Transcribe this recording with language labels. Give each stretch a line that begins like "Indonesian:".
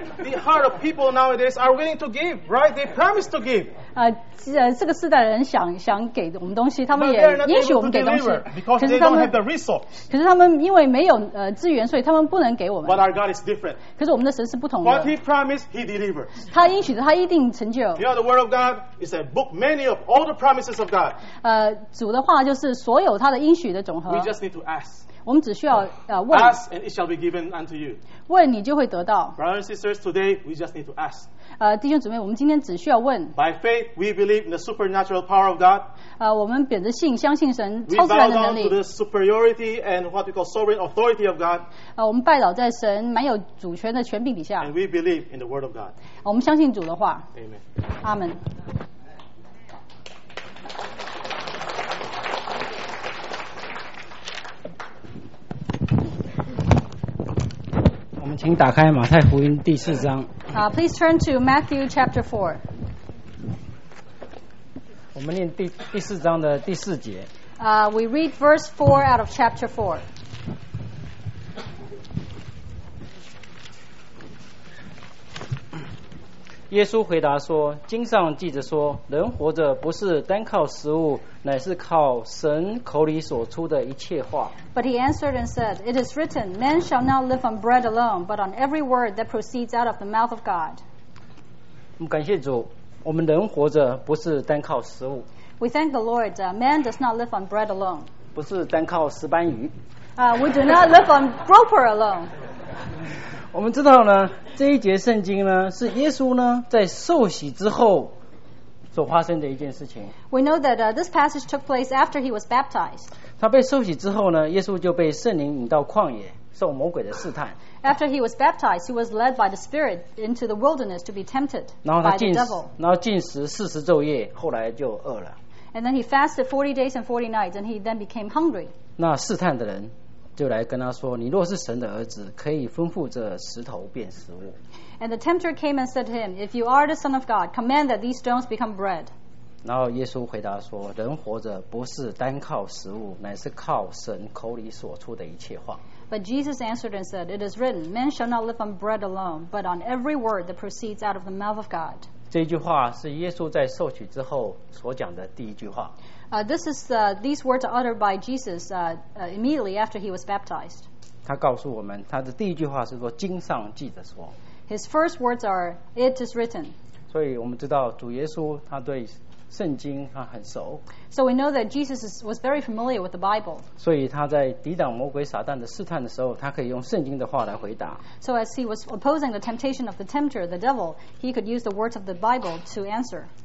English: The heart of people nowadays are willing to give, right? They promise to give.
Chinese: 这个世代人想给我们东西，他们也允许我们给东西。
English: Because they don't have the resource.
Chinese: 可是他们因为没有资源，所以他们不能给我们。
English: But our God is different.
Chinese: 可是我们的神是不同的。
English: What He promised, He delivers.
Chinese: 他应许的，他一定成就。
English: You know, the Word of God is a book many of all the promises of God.
Chinese: 主的话就是所有他的应许的总和。
English: We just need to ask.
Chinese: 我们只需要问
English: ask and it shall be given unto you.
Chinese: 问你就会得到
English: Brothers and sisters, today we just need to ask.
Chinese: 弟兄姊妹，我们今天只需要问
English: By faith we believe in the supernatural power of God.
Chinese: 我们本着信相信神超自然的能力
English: We bow down to the superiority and what we call sovereign authority of God.
Chinese: 我们拜倒在神蛮有主权的权柄底下
English: And we believe in the word of God.
Chinese: 我们相信主的话
English: Amen.
Chinese: 阿们我们请打开马太福音第四章。
English: Please turn to Matthew chapter 4.
Chinese: 我们念第四章的第四节。
English: We read verse 4 out of chapter 4.
Chinese: 耶稣回答说：经上记着说，人活着不是单靠食物，乃是靠神口里所出的一切话。
English: But he answered and said, It is written, Man shall not live on bread alone, but on every word that proceeds out of the mouth of God.
Chinese: 我们感谢主，我们人活着不是单靠食物。
English: We thank the Lord, man does not live on bread alone.
Chinese: 不是单靠石斑鱼。
English: We do not live on grouper alone.
Chinese: 我们知道呢，这一节圣经呢，是耶稣呢在受洗之后。所发生的一件事情。
English: We know that this passage took place after he was baptized.
Chinese: 他被受洗之后呢，耶稣就被圣灵引到旷野，受魔鬼的试探。
English: After he was baptized, he was led by the Spirit into the wilderness to be tempted by the devil.
Chinese: 然后禁食四十昼夜，后来就饿了。
English: And then he fasted 40 days and 40 nights, and he then became hungry.
Chinese: 那试探的人就来跟他说：“你若是神的儿子，可以吩咐这石头变食物。”
English: And the tempter came and said to him, "If you are the Son of God, command that these stones become bread."
Chinese: 然后耶稣回答说：“人活着不是单靠食物，乃是靠神口里所出的一切话。”
English: But Jesus answered and said, "It is written, 'Man shall not live on bread alone, but on every word that proceeds out of the mouth of God.'"
Chinese: 这句话是耶稣在受洗之后所讲的第一句话。
English: This is these words uttered by Jesus immediately after he was baptized.
Chinese: 他告诉我们，他的第一句话是说：“经上记着说。”
English: His first words are, "It is written."
Chinese: 所以我们知道主耶稣他对圣经他很熟。
English: So we know that Jesus was very familiar with the Bible.
Chinese: 所以他在抵挡魔鬼撒旦的试探的时候，他可以用圣经的话来回答。
English: So as he was opposing the temptation of the tempter, the devil, he could use the words of the Bible to answer.